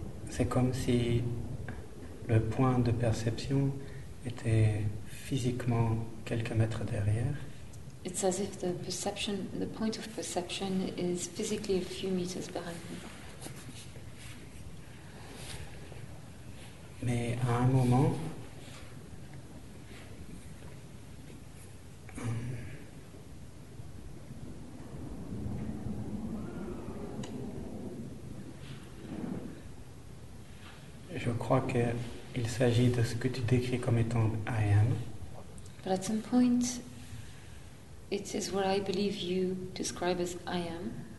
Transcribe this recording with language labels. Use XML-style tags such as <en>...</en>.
<fr>C'est comme si le point de perception était physiquement quelques mètres derrière.</fr> <en>It's as if the perception, the point of perception, is physically a few meters behind me.</en> <fr>Mais à un moment, je crois qu'il s'agit de ce que tu décris comme étant I am.</fr> <en>But at some point, it is what I believe you describe as I am.</en>